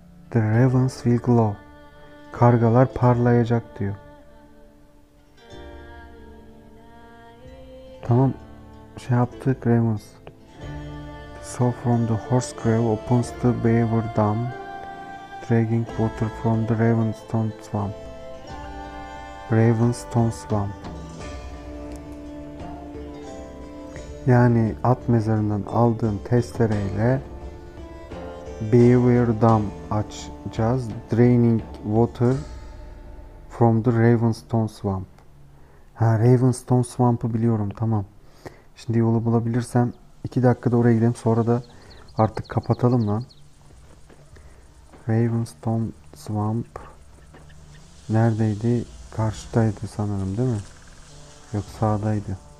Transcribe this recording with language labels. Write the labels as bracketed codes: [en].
[en] The ravens will glow. [tr] Kargalar parlayacak diyor. Tamam. Şey yaptık, ravens. [en] saw from the horse grave upon the beaver dam, dragging water from the Ravenstone swamp. Ravenstone swamp. [tr] Yani at mezarından aldığın testereyle beaver dam açacağız. [en] Draining water from the Ravenstone swamp. [tr] Ha, Ravenstone swamp'ı biliyorum, tamam. Şimdi yolu bulabilirsem 2 dakikada oraya gidelim, sonra da artık kapatalım lan. Ravenstone swamp neredeydi? Karşıdaydı sanırım, değil mi? Yok, sağdaydı.